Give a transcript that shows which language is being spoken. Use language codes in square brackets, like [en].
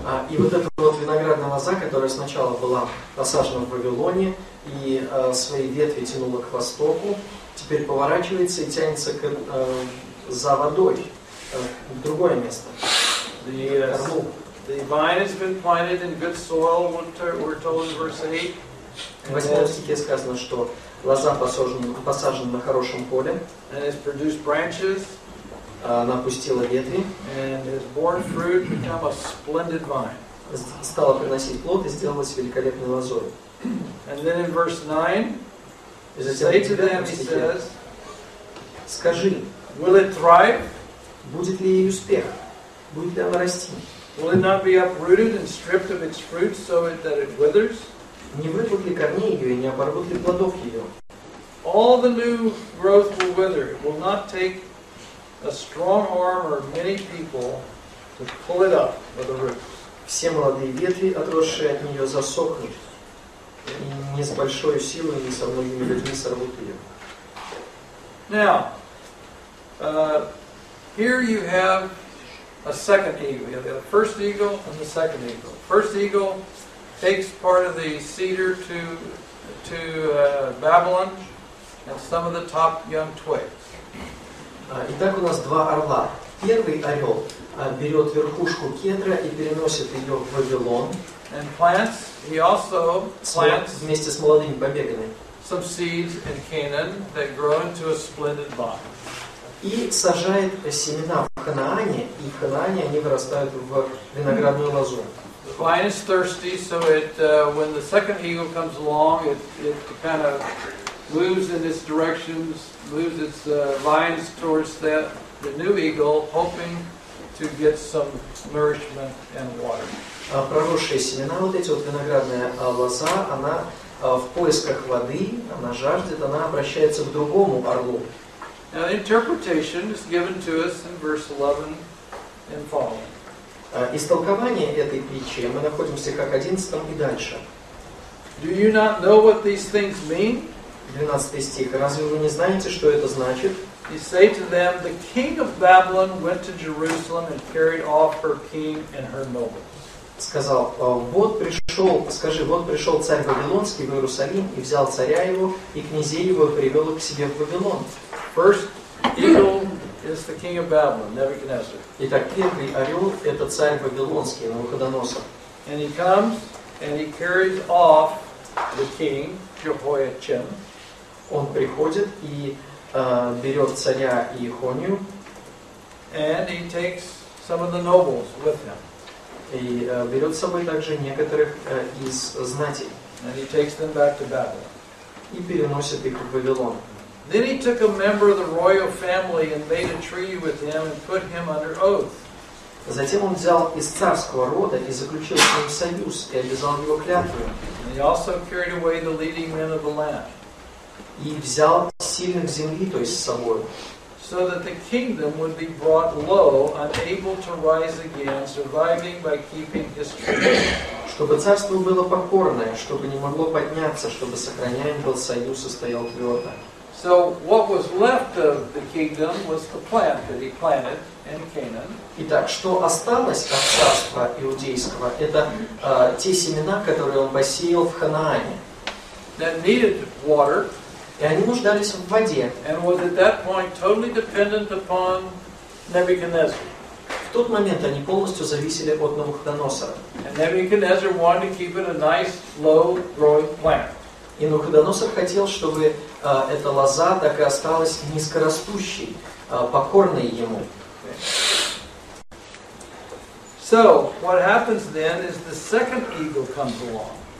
[ru] И вот эта вот виноградная лоза, которая сначала была посажена в Вавилоне и свои ветви тянула к востоку, теперь поворачивается и тянется к, за водой, в другое место. [en] The vine has been planted in good soil, we're told in verse 8. [ru] В 8 стихе сказано, что лоза посажена на хорошем поле. [en] And has produced branches. [ru] Она опустила ветви. [en] And has borne fruit, become a splendid vine. [ru] Стала приносить плод и сделалась великолепной лозой. [en] And then in verse 9, say to them, he says, [ru] скажи, [en] will it thrive? [ru] Будет ли ей успех? Будет ли она расти? [en] Will it not be uprooted and stripped of its fruit so that it withers? [ru] Не выпадут ли корни ее и не оборвут ли плодов ее? [en] All the new growth will wither. It will not take a strong arm or many people to pull it up by the roots. [ru] Все молодые ветви, отросшие от нее, засохнут. И не с большой силой, не со многими людьми сорвут ее. [en] Now, here you have a second eagle. You have the first eagle and the second eagle. First eagle takes part of the cedar to Babylon and some of the top young twigs. [ru] Итак, у нас два орла. Первый орел берет верхушку кедра и переносит ее в Вавилон. [en] And plants. He also plants [ru] вместе с молодыми побегами [en] some seeds in Canaan that grow into a splendid vine. [ru] И сажает семена в Ханаане, и в Ханаане они вырастают в виноградную лозу. [en] The vine is thirsty, so it when the second eagle comes along, it kind of moves in its directions, moves its vines towards that the new eagle, hoping to get some nourishment and water. [ru] Проросшие семена, вот эти вот виноградные лоза, она в поисках воды, она жаждет, она обращается к другому орлу. [en] Now the interpretation is given to us in verse 11 and following. [ru] Истолкование этой притчи мы находим в стихах 11 и дальше. [en] Do you not know what these things mean? [ru] 12 стих. Разве вы не знаете, что это значит? [en] He said to them, the king of Babylon went to Jerusalem and carried off her king and her nobles. [ru] Сказал, вот пришел, скажи, вот пришел царь Вавилонский в Иерусалим и взял царя его и князей его и привел их к себе в Вавилон. [en] First eagle is the king of Babylon, Nebuchadnezzar. [ru] Итак, первый орел это царь Вавилонский, Навуходоносор. [en] And he comes and he carries off the king, Jehoiachin. [ru] Он приходит и берет царя Иехонию. [en] And he takes some of the nobles with him. [ru] И берет с собой также некоторых из знати. [en] And he takes them back to Babylon. [ru] И переносит их в Вавилон. [en] Then he took a member of the royal family and made a treaty with him and put him under oath. [ru] Затем он взял из царского рода и заключил с ним союз и обязал его клятвою. [en] And he also carried away the leading men of the land. [ru] И взял сильных земли, то есть с собой. [en] So that the kingdom would be brought low, unable to rise again, surviving by keeping history. [ru] Чтобы царство было покорное, чтобы не могло подняться, чтобы сохраняем был союз и стоял твердо. [en] So what was left of the kingdom was the plant that he planted in Canaan. [ru] Итак, что осталось от царства иудейского, это те семена, которые он посеял в Ханаане. [en] That needed water. [ru] И они нуждались в воде. [en] And was at that point totally dependent upon Nebuchadnezzar. [ru] В тот момент они полностью зависели от Навуходоносора. [en] And Nebuchadnezzar wanted to keep it a nice, low-growing plant. [ru] И Навуходоносор хотел, чтобы эта лоза так и осталась низкорастущей, покорной ему. [en] So, what happens then is the second eagle comes along.